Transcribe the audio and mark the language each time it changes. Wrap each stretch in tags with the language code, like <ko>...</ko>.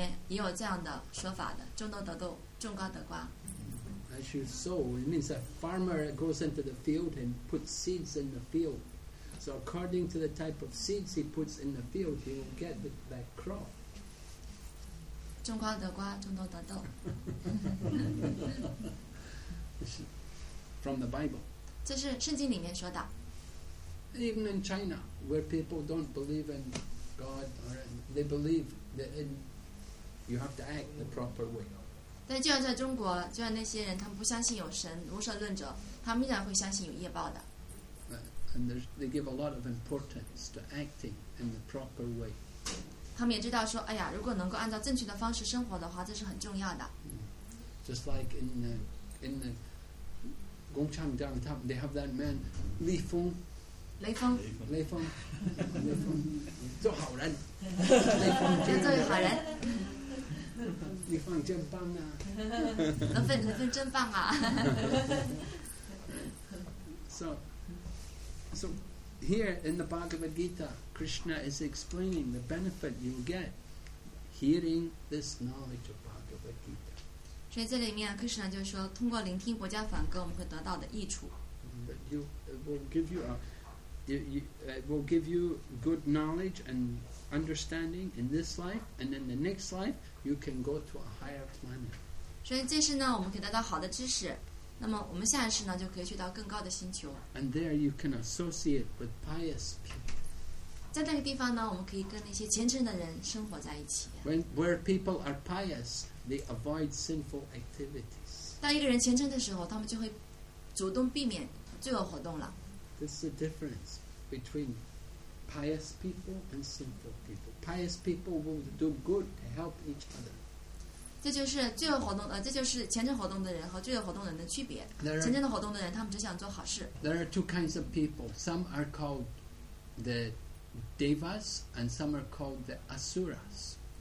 <zh>种豆得豆，种瓜得瓜。就说在那个圣经里面也有这样的说法的，种豆得豆，种瓜得瓜。</zh> <en>As you sow, it means a farmer goes into the field and puts seeds in the field. So according to the type of seeds he puts in the field, he will get that crop.</en> <zh>种瓜得瓜，种豆得豆。</zh> <en>From the Bible.</en> <zh>这是圣经里面说的。</zh> <en>Even in China, where people don't believe in God, or in, they believe that in You have to act the proper way.</en> <zh>但就像在中国，就像那些人，他们不相信有神，无神论者，他们依然会相信有业报的。</zh> <en>And they give a lot of importance to acting in the proper way.</en> <zh>他们也知道说，哎呀，如果能够按照正确的方式生活的话，这是很重要的。</zh> <en>Just like in the Gongchang downtown, they have that man, Li Feng.</en> <zh>雷锋。雷锋。雷锋。做好人。雷锋。要做好人。你放真棒啊！能分真棒啊！</zh> <en>So here in the Bhagavad Gita, Krishna is explaining the benefit you get hearing this knowledge of Bhagavad Gita.</en> <zh>所以这里面 ，Krishna 就说，通过聆听《薄伽梵歌》，我们会得到的益处。</zh> <en>It will give you good knowledge and understanding in this life, and in the next life. You can go to a higher planet.</en> <zh>所以这是呢，我们可以得到好的知识。那么我们下一世呢，就可以去到更高的星球。</zh> <en>And there you can associate with pious people.</en> <zh>在那个地方呢，我们可以跟那些虔诚的人生活在一起。</zh> <en>Where people are pious, they avoid sinful activities.</en> <zh>当一个人虔诚的时候，他们就会主动避免罪恶活动了。</zh> <en>This is the difference between. Pious people and sinful people. Pious people will do good to help each other.</en> <zh>这就是罪恶活动，这就是虔诚活动的人和罪恶活动的人的区别。虔诚的活动的人，他们只想做好事。</zh> <en>There are two kinds of people. Some are called the devas, and some are called the asuras.</en>